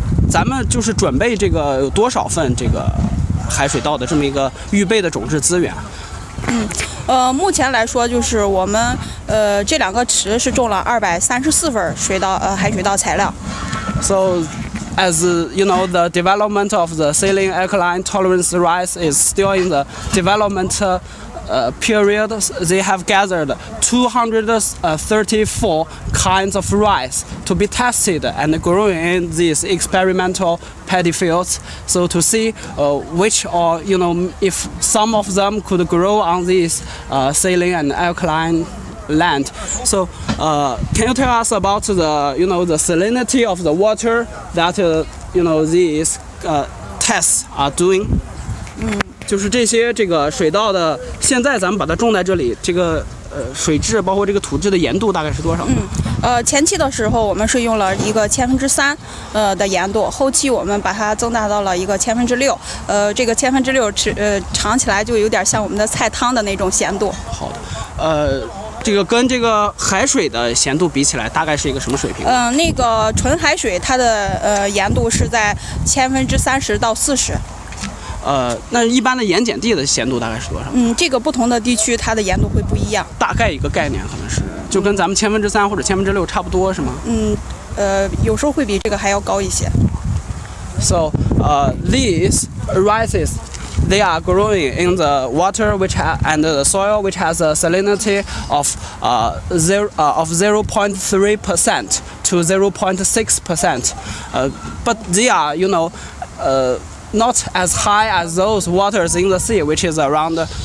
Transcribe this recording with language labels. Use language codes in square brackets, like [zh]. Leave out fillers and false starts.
[zh] 咱们就是准备这个有多少份这个海水稻的这么一个预备的种质资源。目前来说就是我们这两个池是种了234份水稻海水稻材料。 [en] So, as you know, the development of the saline alkaline tolerance rice is still in the development period. They have gathered 234 kinds of rice to be tested and grown in these experimental paddy fields. So to see which or, you know, if some of them could grow on these saline and alkaline land. So can you tell us about the, you know, the salinity of the water that, you know, these tests are doing? [zh] 就是这些这个水稻的，现在咱们把它种在这里，这个水质包括这个土质的盐度大概是多少呢？前期的时候我们是用了一个3%的盐度，后期我们把它增大到了一个6%，这个6%尝起来就有点像我们的菜汤的那种咸度。好的，这个跟这个海水的咸度比起来大概是一个什么水平？那个纯海水它的盐度是在30%-40%。那一般的盐碱地的咸度大概是多少？这个不同的地区它的盐度会不一样。大概一个概念可能是，就跟咱们3%-6%差不多是吗？有时候会比这个还要高一些。 [en] So, these rices, they are growing in the water which and the soil which has a salinity of 0.3%-0.6%. But they are, you know, not as high as those waters in the sea, which is around